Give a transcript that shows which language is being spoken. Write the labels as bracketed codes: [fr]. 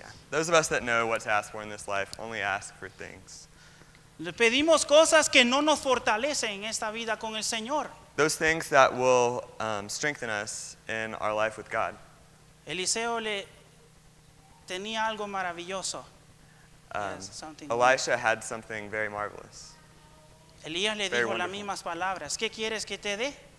[en] Those of us that know what to ask for in this life only ask for things. [es] Le pedimos cosas que no nos fortalecen en esta vida con el Señor. [en] Those things that will strengthen us in our life with God. [es] Eliseo le tenía algo maravilloso. [en] Elisha had something very marvelous. [es] Elías le dijo las mismas palabras. ¿Qué quieres que te dé?